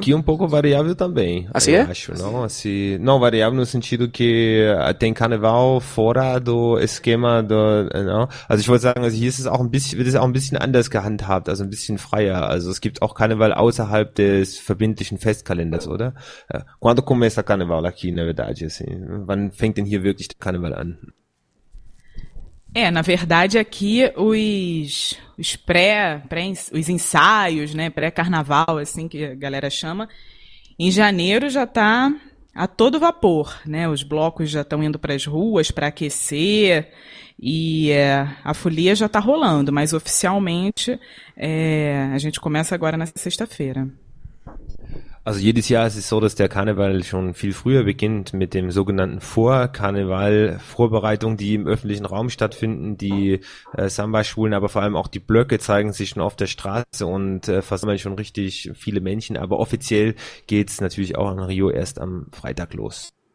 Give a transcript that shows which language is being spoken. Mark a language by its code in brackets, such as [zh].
[pt] aqui um pouco variável também, Assim eu acho, não? Assim, não variável no sentido que tem carnaval fora do esquema do, não? [de] Also ich wollte sagen, also hier ist es auch ein bisschen, wird es auch ein bisschen anders gehandhabt, also ein bisschen freier. Also es gibt auch Karneval außerhalb des verbindlichen Festkalenders, oder? [pt] Quando começa Carnaval aqui, na verdade, assim? [de] Wann fängt denn hier wirklich der Karneval an? [pt] Na verdade, aqui os ensaios, né, pré-carnaval, assim que a galera chama, em janeiro já tá a todo vapor, né? Os blocos já estão indo para as ruas para aquecer e a folia já está rolando, mas oficialmente a gente começa agora na sexta-feira. [de] Also jedes Jahr ist es so, dass der Karneval schon viel früher beginnt mit dem sogenannten Vorkarneval-Vorbereitung, die im öffentlichen Raum stattfinden. Die Samba-Schulen, aber vor allem auch die Blöcke zeigen sich schon auf der Straße und versammeln schon richtig viele Menschen. Aber offiziell geht's natürlich auch in Rio erst am Freitag los.